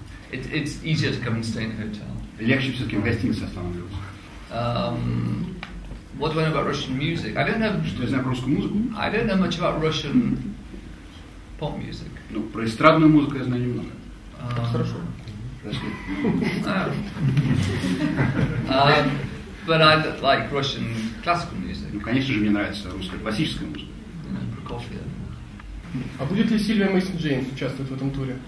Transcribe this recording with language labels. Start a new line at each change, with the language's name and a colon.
English: It's easier to come and stay in a hotel.
Russian: Легче все-таки в гостинице останавливаться.
English: What do I know about Russian music? I don't know.
Russian: Что я знаю про русскую музыку?
English: I don't know much about Russian pop music.
Russian: Ну, про эстрадную музыку я знаю немного. Хорошо.
English: But I like Russian classical music.
Russian: Ну, конечно же, мне нравится русская классическая музыка. А будет ли Сильвия Мейсон-Джеймс участвовать в этом туре?